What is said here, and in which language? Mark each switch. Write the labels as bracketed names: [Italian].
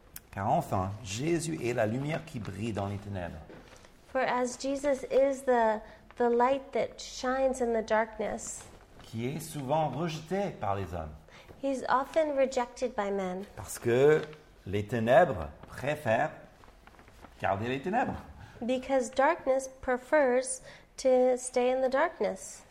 [French] Car enfin, Jésus est la lumière qui brille dans les ténèbres. [English] For as Jesus is the light that shines in the darkness. [French] Qui est souvent rejeté par les hommes. [English] He's often rejected by men. [French] Parce que les ténèbres préfèrent garder les ténèbres. [English] Because darkness prefers to stay in the darkness.